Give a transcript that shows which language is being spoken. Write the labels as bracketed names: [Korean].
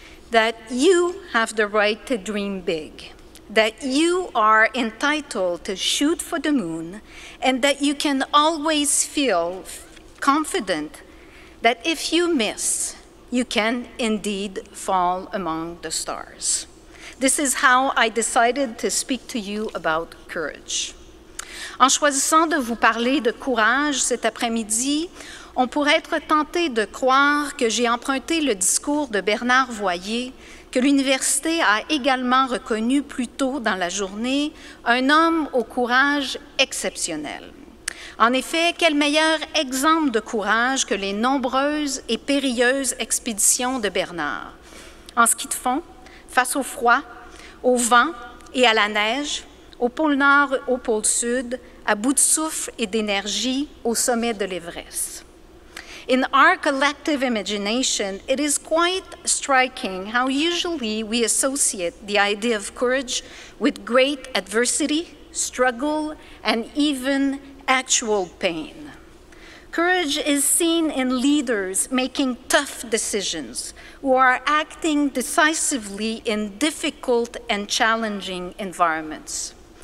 [English] That you have the right to dream big, that you are entitled to shoot for the moon, and that you can always feel confident that if you miss, you can indeed fall among the stars. This is how I decided to speak to you about courage. [French] En choisissant de vous parler de courage cet après-midi, on pourrait être tenté de croire que j'ai emprunté le discours de Bernard Voyer, que l'université a également reconnu plus tôt dans la journée, un homme au courage exceptionnel. En effet, quel meilleur exemple de courage que les nombreuses et périlleuses expéditions de Bernard. En ski de fond, face au froid, au vent et à la neige, au pôle Nord, au pôle Sud, à bout de souffle et d'énergie, au sommet de l'Everest. [English] In our collective imagination, it is quite striking how usually we associate the idea of courage with great adversity, struggle, and even actual pain. Courage is seen in leaders making tough decisions, who are acting decisively in difficult and challenging environments.